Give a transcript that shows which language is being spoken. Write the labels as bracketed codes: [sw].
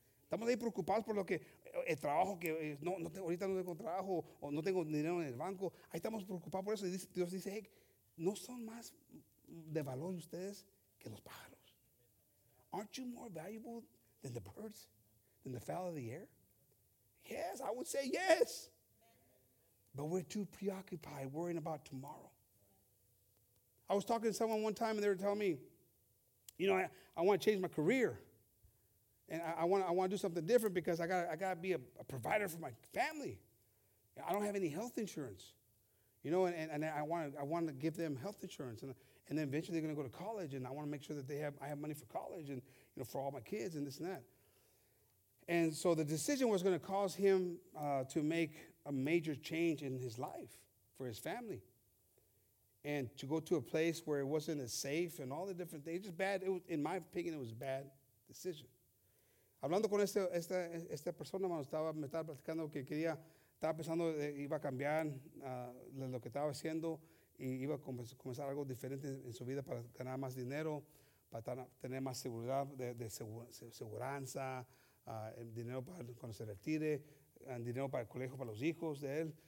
[es] Estamos ahí preocupados por lo que el trabajo que no ahorita no tengo trabajo o no tengo dinero en el banco. Ahí estamos preocupados por eso. Y Dios dice, hey, no son más de valor ustedes que los pájaros. [en] Aren't you more valuable than the birds, than the fowl of the air? Yes, I would say yes. But we're too preoccupied worrying about tomorrow. I was talking to someone one time, and they were telling me, you know, I want to change my career, and I want to do something different because I gotta be a provider for my family. I don't have any health insurance, you know, and I want to give them health insurance. And then eventually they're going to go to college, and I want to make sure that I have money for college and, you know, for all my kids and this and that. And so the decision was going to cause him to make a major change in his life for his family and to go to a place where it wasn't as safe and all the different things. Just bad. It was, in my opinion, it was a bad decision. [es] Hablando con esta persona, me estaba platicando que quería, estaba pensando que iba a cambiar lo que estaba haciendo. Y iba a comenzar algo diferente en su vida para ganar más dinero, para tener más seguridad de seguranza, dinero para cuando se retire, dinero para el colegio, para los hijos de él.